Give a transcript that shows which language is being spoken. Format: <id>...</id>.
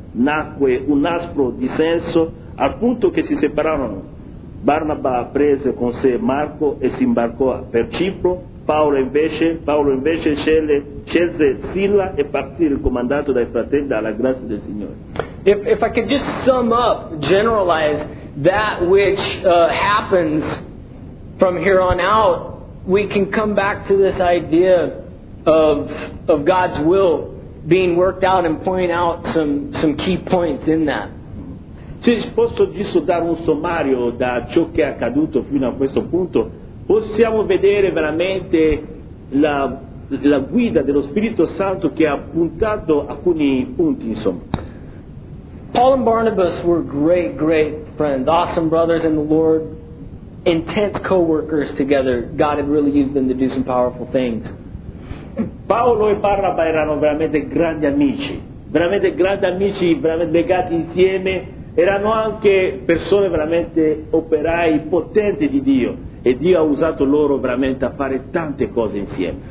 <it>Nacque un aspro dissenso al punto che si separarono. Barnaba prese con sé Marco e si imbarcò per Cipro. Paolo invece scelse Silla e partì raccomandato dai fratelli dalla grazia del Signore.</it> <en>If I could just sum up, generalize that which happens from here on out, we can come back to this idea of God's will being worked out and point out some key points in that.</en> <it>Se posso giusto dare un sommario da ciò che è accaduto fino a questo punto, possiamo vedere veramente la guida dello Spirito Santo che ha puntato alcuni punti, insomma.</it> <en>Paul and Barnabas were great, great friends, awesome brothers in the Lord, intense co-workers together. God had really used them to do some powerful things.</en> <it>Paolo e Barnaba erano veramente grandi amici, veramente legati insieme. Erano anche persone veramente operai potenti di Dio e Dio ha usato loro veramente a fare tante cose insieme.</it>